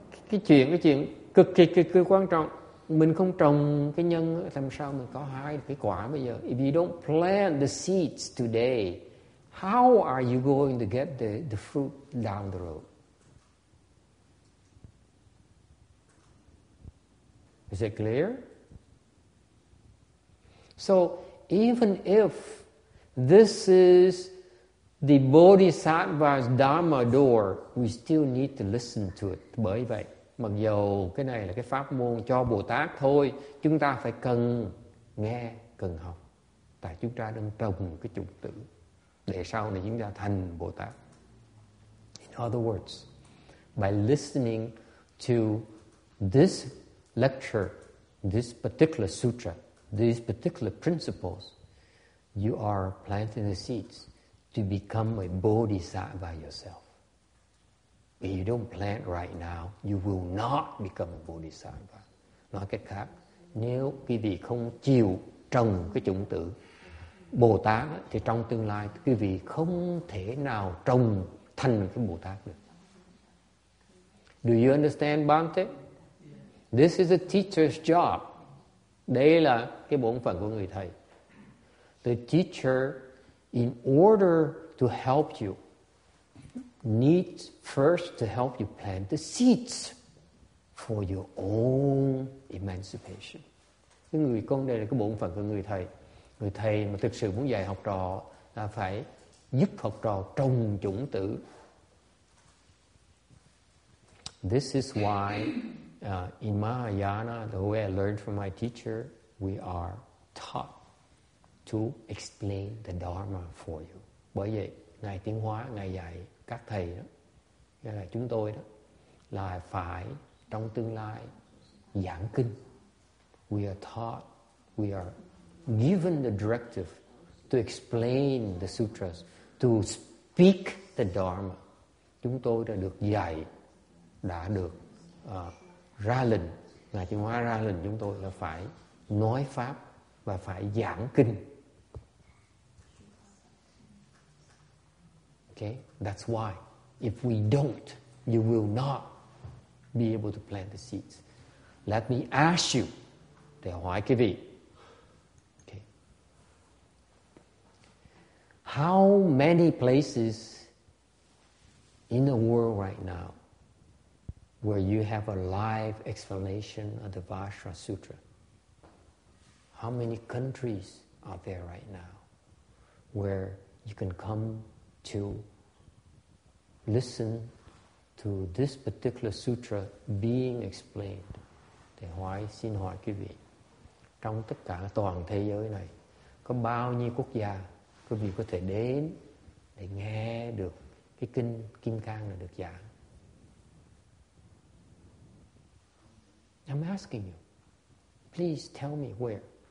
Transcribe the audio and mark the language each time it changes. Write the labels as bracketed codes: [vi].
[vi] Cái chuyện cực kỳ quan trọng. Mình không trồng cái nhân, làm sao mình có hai cái quả bây giờ? [en] If you don't plant the seeds today, how are you going to get the fruit down the road? Is it clear? So even if this is the Bodhisattva's Dharma door, we still need to listen to it. [vi] Bởi vậy, mặc dù cái này là cái pháp môn cho Bồ Tát thôi, chúng ta phải cần nghe, cần học. Tại chúng ta đang trồng cái chủng tử để sau này chúng ta thành Bồ Tát. [en] In other words, by listening to this lecture, this particular sutra, these particular principles, you are planting the seeds to become a Bodhisattva yourself. If you don't plant right now, you will not become a Bodhisattva. [vi] Nói cách khác, nếu quý vị không chịu trồng cái chủng tử Bồ Tát, thì trong tương lai quý vị không thể nào trồng thành cái Bồ Tát được. [en] Do you understand, Bhante? Yes. This is a teacher's job. [vi] Đây là cái bổn phận của người thầy. [en] The teacher, in order to help you, needs first to help you plant the seeds for your own emancipation. [vi] Cái người con đây là cái bổn phận của người thầy. Người thầy mà thực sự muốn dạy học trò là phải giúp học trò trồng chủng tử. [en] This is why in Mahayana, the way I learned from my teacher, we are taught to explain the Dharma for you. [vi] Bởi vậy, Ngài Tiến Hóa, Ngài dạy các thầy đó, nghĩa là chúng tôi đó, là phải trong tương lai giảng kinh. [en] We are taught, we are given the directive to explain the sutras, to speak the Dharma. [vi] Chúng tôi đã được dạy, đã được ra lệnh, Ngài Tiến Hóa ra lệnh chúng tôi là phải nói pháp và phải giảng kinh. [en] Okay, that's why. If we don't, you will not be able to plant the seeds. Let me ask you, [vi] để hỏi quý vị. [en] Okay. How many places in the world right now where you have a live explanation of the Vajra Sutra? How many countries are there right now where you can come to listen to this particular sutra being explained? [vi] Thầy Hoài xin hỏi quý vị, trong tất cả toàn thế giới này, có bao nhiêu quốc gia quý vị có thể đến để nghe được cái kinh Kim Cang này được giảng? [en] I'm asking you, please tell me where.